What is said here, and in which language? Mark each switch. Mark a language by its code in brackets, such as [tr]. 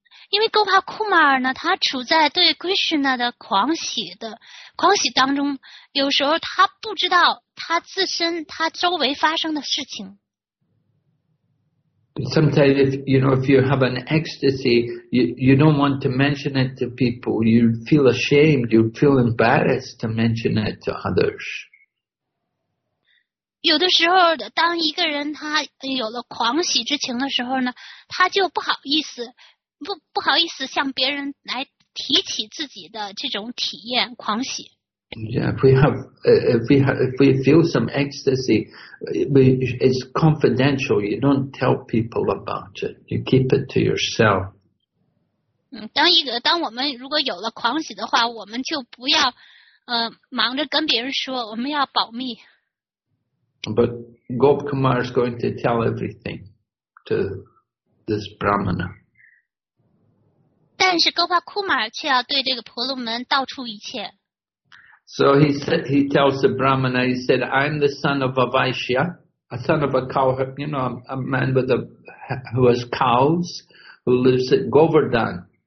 [zh] 因为 Gopal Kumar 呢，他处在对 Krishna 的狂喜当中，有时候他不知道他自身他周围发生的事情。 [en] Sometimes if you have an ecstasy, you don't want to mention it to people. You feel ashamed, you feel embarrassed to mention it to others. [zh] 有的时候当一个人他有了狂喜之情的时候呢，他就不好意思向别人来提起自己的这种体验狂喜。 [en] Yeah, if we feel some ecstasy, it's confidential. You don't tell people about it. You keep it to yourself. [zh] 当我们如果有了狂喜的话，我们就不要忙着跟别人说，我们要保密。 [en] But Gop Kumar is going to tell everything to this Brahmana. [zh] 但是 Gopal Kumar 却要对这个婆罗门道出一切。 [en] So he said, he tells the Brahmana, he said, I'm the son of a Vaishya, a son of a cow, you know, a man with a, who has cows, who lives at Govardhan.